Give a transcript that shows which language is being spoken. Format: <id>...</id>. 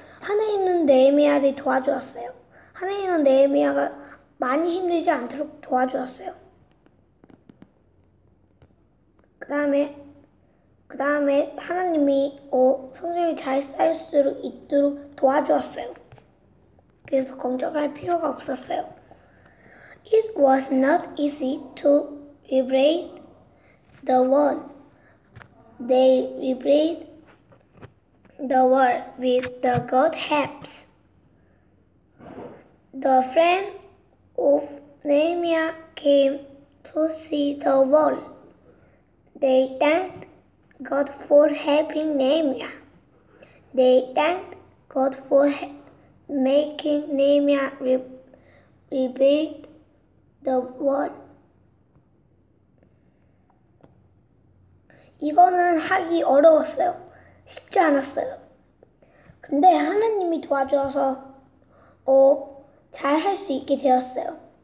<ko>하나님은 네헤미야를 도와주었어요. 하나님은 네헤미야가 많이 힘들지 않도록 도와주었어요. 그 다음에 하나님이 성전이 잘 쌓일 수 있도록 도와주었어요. 그래서 걱정할 필요가 없었어요.</ko> <en>It was not easy to rebuild the wall. They rebuilt the wall with the God's helps. The friend of Nehemiah came to see the wall. They thanked God for helping Nehemiah. They thanked God for making Nehemiah rebuild the wall.</en> <ko>이거는 하기 어려웠어요. 쉽지 않았어요. 근데 하나님이 도와주어서 잘할수 있게 되었어요.</ko>